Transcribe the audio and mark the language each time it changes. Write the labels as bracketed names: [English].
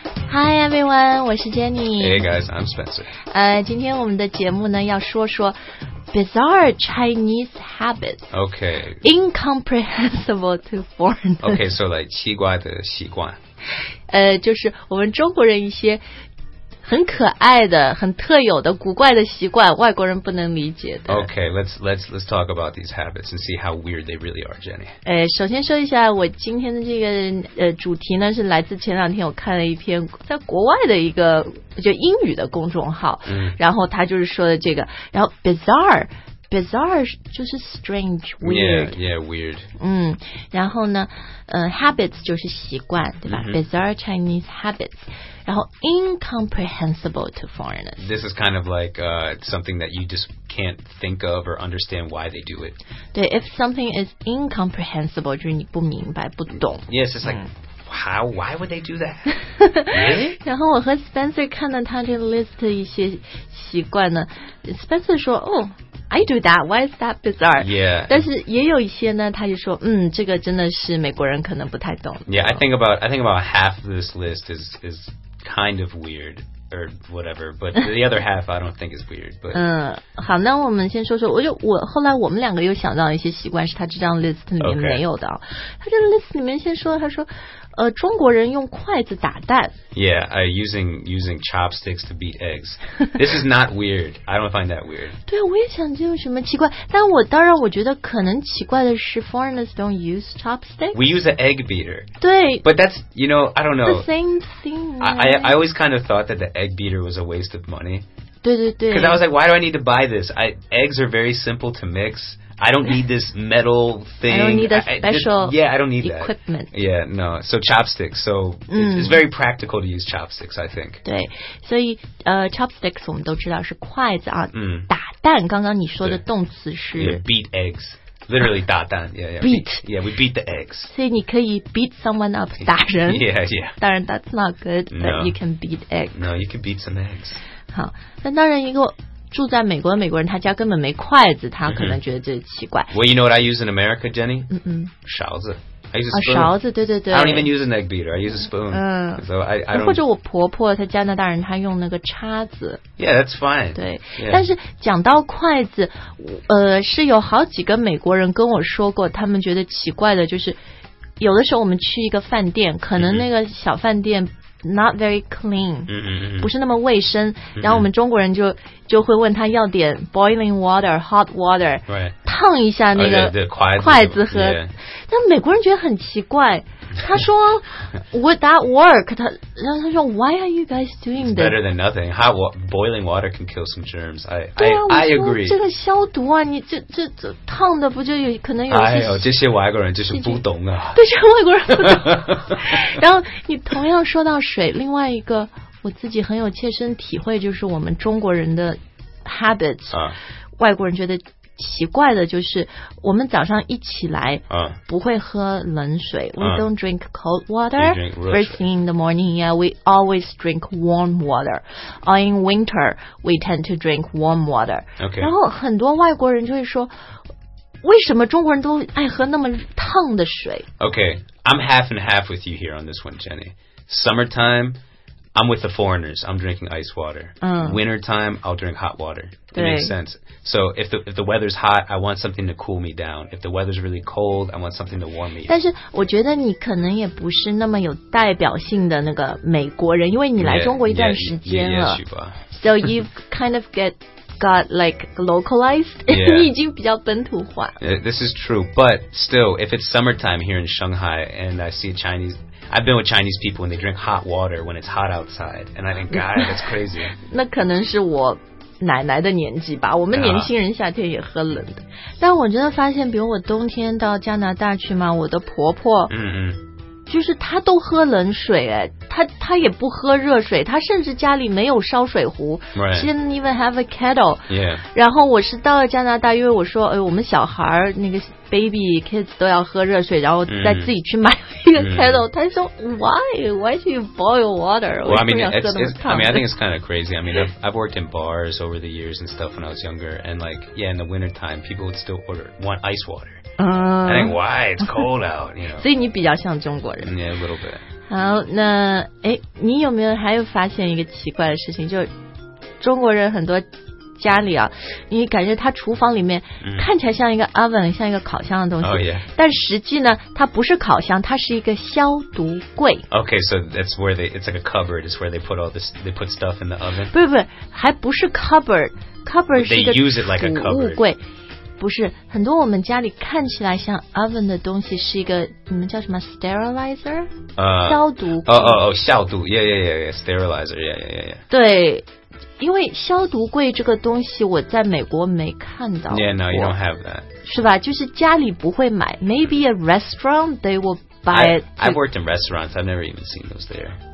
[English] Hi everyone, [Chinese] 我是 [English] Jenny. Hey guys, I'm Spencer. [Chinese] 今天我们的节目呢要说说 [English] bizarre Chinese habits. Okay. Incomprehensible to foreigners. Okay, so like [Chinese] 奇怪的习惯。就是我们中国人一些很可爱的、很特有的、古怪的习惯，外国人不能理解的。 [English] Okay, let's talk about these habits and see how weird they really are, Jenny. [Chinese] 首先说一下，我今天的这个主题呢，是来自前两天我看了一篇在国外的一个就英语的公众号，然后他就是说的这个，然后 bizarre 就是 [English] strange, weird. Yeah, weird. [Chinese] 然后呢，habits 就是习惯，对吧？ [English] Bizarre Chinese habits. 然后 incomprehensible to foreigners. This is kind of like something that you just can't think of or understand why they do it. [Chinese] 对 [English] if something is incomprehensible, [Chinese] 就是你不明白不懂 [English] Yes, it's like,how, why would they do that? [Chinese] 然后我和 Spencer 看到他这 list 一些习惯呢 Spencer 说 [English] I do that, why is that bizarre? Yeah. [Chinese] 但是也有一些呢他就说这个真的是美国人可能不太懂 [English] Yeah, I think about half of this list is... kind of weird or whatever but the other half I don't think is weird but [Chinese] 好那我们先说说我后来我们两个又想到一些习惯是他这张 list 里面没有的、 [English] okay. [Chinese] 他这个 list 里面先说他说中国人用筷子打蛋 [English] yeah using chopsticks to beat eggs this is not weird I don't find that weird [Chinese] 对我也想这有什么奇怪但我当然我觉得可能奇怪的是 [English] foreigners don't use chopsticks we use an egg beater [Chinese] 对 [English] but that's you know I don't know the same thing I always kind of thought that the egg beater was a waste of money [Chinese] 对对对 [English] because I was like why do I need to buy this eggs are very simple to mixI don't need this metal thing. I don't need a special equipment. That. Yeah, no. So chopsticks. So it's very practical to use chopsticks, I think. [Chinese] 对，所以chopsticks 我们都知道是筷子啊。打蛋，刚刚你说的动词是 [English] yeah, beat eggs. Literally [Chinese] 打蛋。 [English] Beat. Yeah, we beat the eggs. [Chinese] 所以你可以 [English] beat someone up, [Chinese] 打人。 [English] Yeah, yeah. 当然 that's not good, but no. you can beat eggs. No, you can beat some eggs. [Chinese] 好，那当然一个。住在美国的美国人他家根本没筷子他可能觉得这奇怪 [English] Well you know what I use in America Jenny? 勺子 I use a spoon [Chinese] 勺子对对对 [English] I don't even use an egg beater I use a spoon So I don't [Chinese] 或者我婆婆她加拿大人她用那个叉子 [English] Yeah that's fine [Chinese] 对、 [English] yeah. [Chinese] 但是讲到筷子是有好几个美国人跟我说过他们觉得奇怪的就是有的时候我们去一个饭店可能那个小饭店 [English] Not very clean, [Chinese] 不是那么卫生。然后我们中国人就会问他要点 [English] boiling water, hot water, [Chinese] 烫一下那个筷子喝。但美国人觉得很奇怪，他说 [English] Would that work? [Chinese] 他说 [English] Why are you guys doing this? It's better than nothing. Hot boiling water can kill some germs. I agree. [Chinese] 这个消毒啊，你这烫的不就有可能有些？哎呦，这些外国人就是不懂啊。对，这外国人不懂。然后你同样说到。水另外一个我自己很有切身体会就是我们中国人的 habits、外国人觉得奇怪的就是我们早上一起来、不会喝冷水、 [English] we don't drink cold water drink first thing in the morning yeah we always drink warm water or in winter we tend to drink warm water、 okay. [Chinese] 然后很多外国人就会说为什么中国人都爱喝那么烫的水 [English] okay I'm half and half with you here on this one Jenny Summertime, I'm with the foreigners. I'm drinking ice water. Wintertime, I'll drink hot water. It makes sense. So if the weather's hot, I want something to cool me down. If the weather's really cold, I want something to warm me. [Chinese] 但是我觉得你可能也不是那么有代表性的那个美国人，因为你来中国一段时间了。 [English] So you've kind of got like localized. [Chinese] 你已经比较本土化。 [English] This is true, but still, if it's summertime here in Shanghai and I see Chinese. I've been with Chinese people and they drink hot water when it's hot outside. And I think, God, that's crazy. [Chinese] 那可能是我奶奶的年纪吧。我们年轻人夏天也喝冷的。但我真的发现，比如我冬天到加拿大去嘛，我的婆婆，就是她都喝冷水，她也不喝热水，她甚至家里没有烧水壶。 [English] Right. She didn't even have a kettle. Yeah. [Chinese] 然后我是到了加拿大，因为我说，我们小孩那个 [English] baby kids [Chinese] 都要喝热水，然后再自己去买一个 kettle。他说 ， [English] Why do you boil water? Well, I mean, I think it's kind of crazy. I mean, I've worked in bars over the years and stuff when I was younger, and like, yeah, in the winter time, people would still want ice water. I think why it's cold out, you know. [Chinese] 所以你比较像中国人。 [English] Yeah, a little bit. [Chinese] 好，那哎，你有没有还有发现一个奇怪的事情？就中国人很多。家里啊，你感觉它厨房里面看起来像一个 oven，像一个烤箱的东西。 [English] Oh, yeah. [Chinese] 但实际呢，它不是烤箱，它是一个消毒柜。 [English] Okay, so that's where it's like a cupboard. It's where they put all this. They put stuff in the oven. [Chinese] 不，还不是 cupboard. Cupboard 是一个储物柜。 [English] They use it like a cupboard. [Chinese] 不是，很多我们家里看起来像 oven 的东西是一个你们叫什么 sterilizer？消毒柜。哦，消毒。 [English] Yeah. Sterilizer. Yeah. [Chinese] 对。因为消毒柜这个东西我在美国没看到过。 [English] Yeah, no, you don't have that. [Chinese] 是吧？就是家里不会买。 [English] Maybe a restaurant, they will buy it. I've worked in restaurants. I've never even seen those there.